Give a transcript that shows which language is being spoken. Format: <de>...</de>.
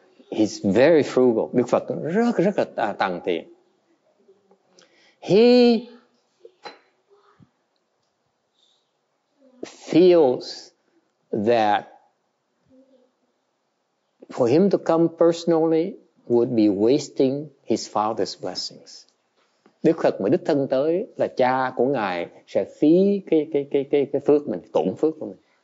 <en>He's very frugal.</en> <vi>Đức Phật rất rất là tằn tiện.</vi> <en>He feels that for him to come personally would be wasting his father's blessings.</en> <vi>Đức Phật mà đích thân tới là cha của ngài sẽ phí cái phước mình, tổn phước của mình.</vi>